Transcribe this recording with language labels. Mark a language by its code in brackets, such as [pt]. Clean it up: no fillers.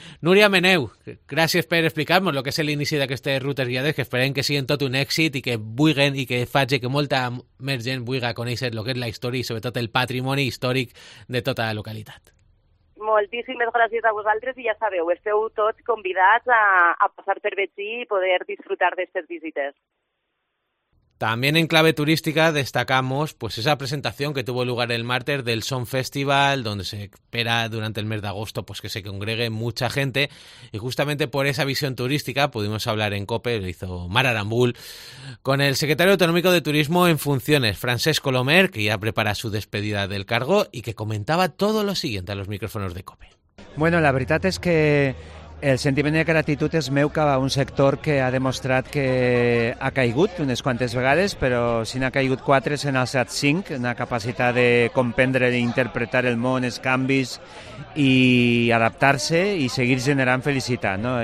[ca] Núria Meneu, gràcies per explicar-nos el que és l'inici d'aquestes rutes guiades, que esperem que siguin tot un èxit i que vulguin i que faci que molta més gent vulgui conèixer el que és la història i sobretot el patrimoni històric de tota la localitat. Moltíssimes gràcies a vosaltres i ja sabeu, esteu tots convidats a passar per Betxí i poder disfrutar d'aquestes visites. [es] También en clave turística destacamos pues esa presentación que tuvo lugar el martes del Sound Festival, donde se espera durante el mes de agosto pues que se congregue mucha gente, y justamente por esa visión turística pudimos hablar en COPE, lo hizo Mar Arambul, con el secretario autonómico de Turismo en funciones, Francesc Colomer, que ya prepara su despedida del cargo y que comentaba todo lo siguiente a los micrófonos de COPE. Bueno, la verdad es que el [ca] sentiment de gratitud és meu cap a un sector que ha demostrat que ha caigut unes quantes vegades, però si n'ha caigut quatre, se n'ha alçat cinc, una capacitat de comprendre i interpretar el món, els canvis, i adaptar-se i seguir generant felicitat. No?